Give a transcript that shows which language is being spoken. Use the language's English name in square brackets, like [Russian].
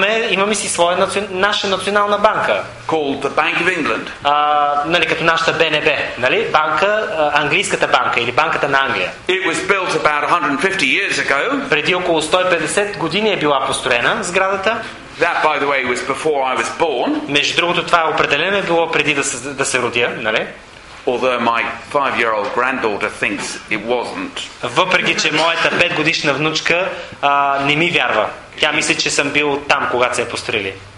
[Bulgarian] Имаме си своя наша национална банка. [English] Called the Bank of England. [Bulgarian] Нали, като нашата БНБ, нали? Банка, английската банка или банката на Англия. [English] It was built about 150 years ago. [Bulgarian] Преди около 150 години е била построена сградата. [English] That, by the way, was before I was born. [Bulgarian] Между другото, това е определено било преди да се родя, нали? [English] Although my 5-year-old granddaughter thinks it wasn't. [Bulgarian] Въпреки че моята 5-годишна внучка не ми вярва. Тя мисли, че съм бил там, когато се е построили.